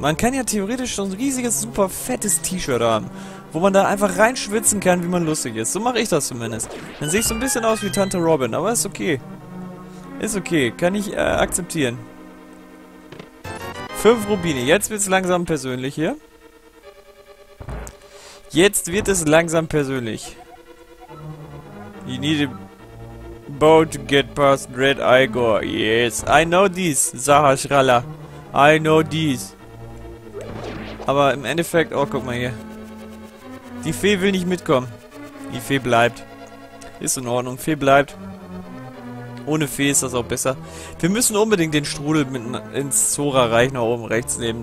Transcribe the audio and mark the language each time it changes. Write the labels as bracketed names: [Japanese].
[German] Man kann ja theoretisch so ein riesiges, super fettes T-Shirt haben, wo man da einfach reinschwitzen kann, wie man lustig ist. So mache ich das zumindest. Dann sehe ich so ein bisschen aus wie Tante Robin, aber ist okay. Ist okay. Kann ich akzeptieren. 5 Rubine. Jetzt wird es langsam persönlich hier. Jetzt wird es langsam persönlich. [English] You need a boat to get past Red Igor. Yes, I know this, Zahashralla. I know this. [German] Aber im Endeffekt, oh, guck mal hier. Die Fee will nicht mitkommen. Die Fee bleibt. Ist in Ordnung, Fee bleibt. Ohne Fee ist das auch besser. Wir müssen unbedingt den Strudel mit ins Zora-Reich nach oben rechts nehmen.